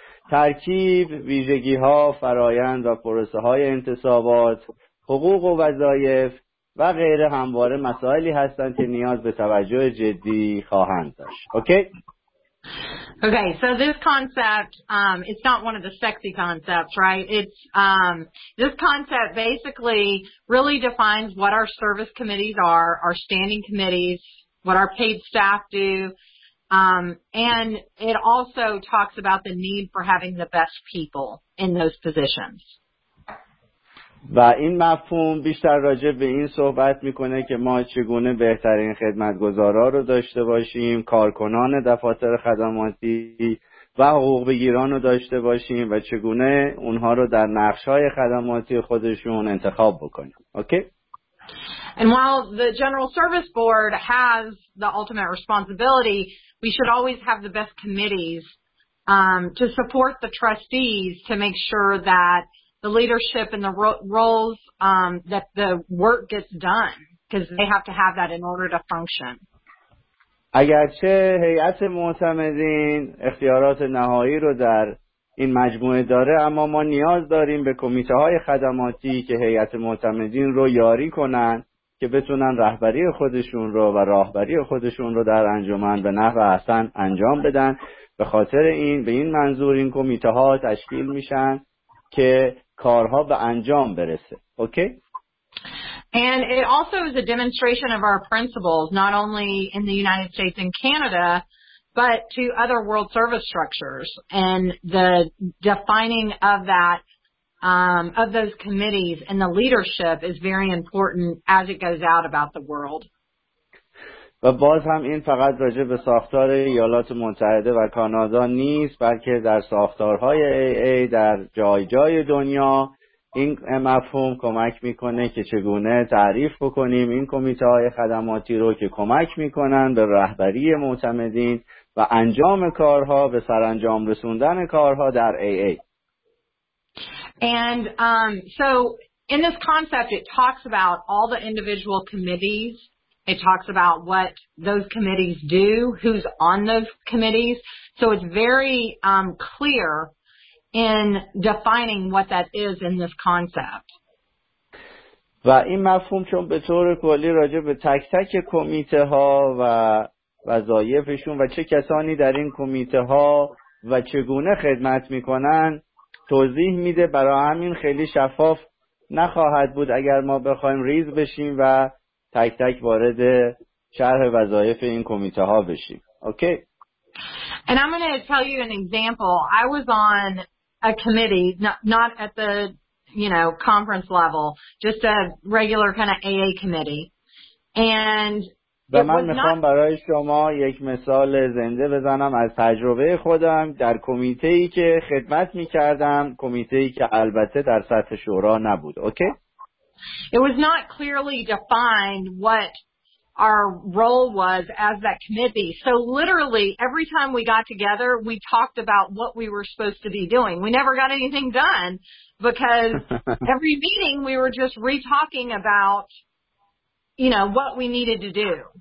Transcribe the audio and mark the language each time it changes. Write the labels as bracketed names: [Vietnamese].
[Persian] ترکیب، ویژگی‌ها، فرایند و پروسه‌های انتصابات، حقوق و وظایف و غیره همواره مسائلی هستند که نیاز به توجه جدی خواهند داشت. [English] Okay, so this concept it's not one of the sexy concepts, right? It's this concept basically really defines what our service committees are, our standing committees, what our paid staff do. And it also talks about the need for having the best people in those positions. [Persian] و این مفهوم بیشتر راجع به این صحبت میکنه که ما چگونه بهترین خدمتگزارا رو داشته باشیم، کارکنان دفاتر خدماتی و حقوق بگیران رو داشته باشیم و چگونه اونها رو در نقش‌های خدماتی خودشون انتخاب بکنیم. اوکی؟ [English] And while the General Service Board has the ultimate responsibility, we should always have the best committees to support the trustees to make sure that the leadership and the roles, that the work gets done, because they have to have that in order to function. [Persian] اگرچه هیئت معتمدین اختیارات نهایی رو در این مجموعه داره، اما ما نیاز داریم به کمیته‌های خدماتی که هیئت معتمدین رو یاری کنن که بتونن رهبری خودشون رو و راهبری خودشون رو در انجمن به نحو احسن انجام بدن. به خاطر این، به این منظور این کمیته ها تشکیل میشن که کارها به انجام برسه. اوکی؟ [English] And it also is a demonstration of our principles, not only in the United States and Canada, but to other world service structures. And the defining of that, of those committees and the leadership is very important as it goes out about the world. [Persian] و باز هم این فقط راجع به ساختار ایالات متحده و کانادا نیست، بلکه در ساختارهای AA در جای جای دنیا این مفهوم کمک میکنه که چگونه تعریف بکنیم این کمیته های خدماتی رو که کمک میکنن به رهبری معتمدین و انجام کارها به سرانجام رسوندن کارها در AA. [English] And so in this concept it talks about all the individual committees. It talks about what those committees do, who's on those committees. So it's very clear in defining what that is in this concept. [Persian] و این مفهوم چون به طور کلی راجع به تک تک کمیته ها و وظایفشون و چه کسانی در این کمیته ها و چگونه خدمت میکنن توضیح میده، برای همین خیلی شفاف نخواهد بود اگر ما بخوایم ریز بشیم و تک تک وارد شرح وظایف این کمیته ها بشیم. اوکی. [English] And I'm going to tell you an example. I was on a committee, not at the, you know, conference level, just a regular kind of AA committee. And [Persian] و من میخوام برای شما یک مثال زنده بزنم از تجربه خودم در کمیته‌ای که خدمت می‌کردم، کمیته‌ای که البته در سطح شورا نبود. اوکی؟ [English] It was not clearly defined what our role was as that committee. So literally every time we got together, we talked about what we were supposed to be doing. We never got anything done because every meeting we were just re-talking about, you know, what we needed to do.